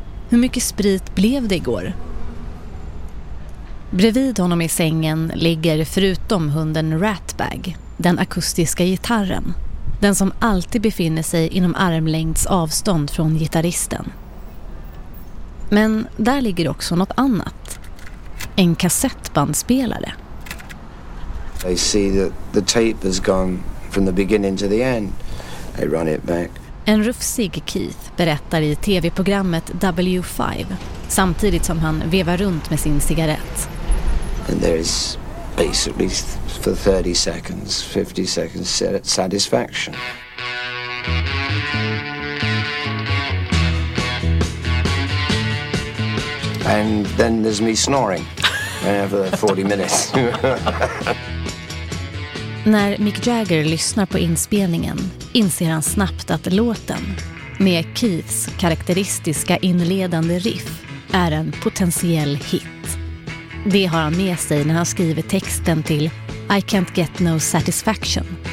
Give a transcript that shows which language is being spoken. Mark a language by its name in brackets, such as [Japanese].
[Swedish] Hur mycket sprit blev det igår? Bredvid honom i sängen ligger förutom hunden Ratbag, den akustiska gitarren. Den som alltid befinner sig inom armlängds avstånd från gitarristen. Men där ligger också något annat. En kassettbandspelare. [English] They see that the tape has gone from the beginning to the end. They run it back. [Swedish] En rufsig Keith berättar i TV-programmet W5 samtidigt som han vevar runt med sin cigarett. [English] And there is basically for 30 seconds, 50 seconds satisfaction. And then there's me snoring for 40 minutes. [Swedish] När Mick Jagger lyssnar på inspelningen inser han snabbt att låten med Keiths karaktäristiska inledande riff är en potentiell hit. Det har han med sig när han skriver texten till I Can't Get No Satisfaction.